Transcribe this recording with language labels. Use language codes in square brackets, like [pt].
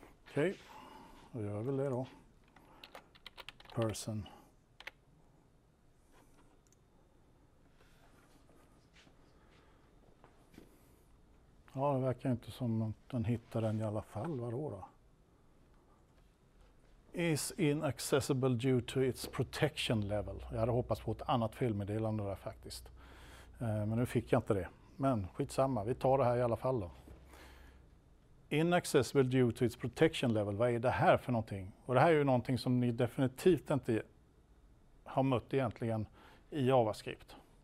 [sv] Okej, då gör vi det då. Person. Ja, det verkar inte som att den hittar den i alla fall. Vadå då? [en] Is inaccessible due to its protection level. [sv] Jag hade hoppats på ett annat felmeddelande där faktiskt. Men nu fick jag inte det. Men skitsamma, vi tar det här i alla fall då. [en] Inaccessible due to its protection level. [sv] Vad är det här för någonting? Och det här är ju någonting som ni definitivt inte har mött egentligen i JavaScript.